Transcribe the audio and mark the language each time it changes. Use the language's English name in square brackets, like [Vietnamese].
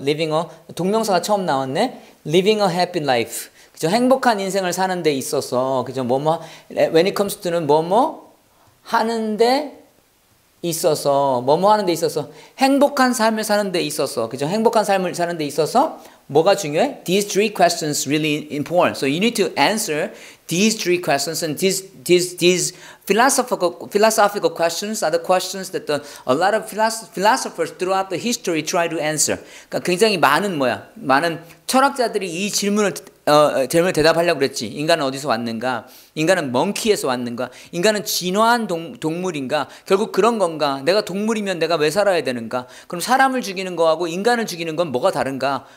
[English] Living a [Korean] 동명사가 처음 나왔네. [English] Living a happy life. [Korean] 그죠? 행복한 인생을 사는 데 있어서, 그죠? 뭐뭐 [English] when it comes to [Korean] 는 뭐뭐 하는 데 있어서, 뭐뭐 하는 데 있어서 행복한 삶을 사는 데 있어서, 그죠? 행복한 삶을 사는 데 있어서 뭐가 중요해? [English] These three questions really important. So you need to answer these three questions and these philosophical questions are the questions that a lot of philosophers throughout the history try to answer. [Korean] 그러니까 굉장히 많은 뭐야? 많은 철학자들이 이 질문을 대답하려고 그랬지. 인간은 어디서 왔는가? 인간은 monkey에서 왔는가? 인간은 진화한 동물인가? 결국 그런 건가? 내가 동물이면 내가 왜 살아야 되는가? 그럼 사람을 죽이는 거하고 인간을 죽이는 건 뭐가 다른가?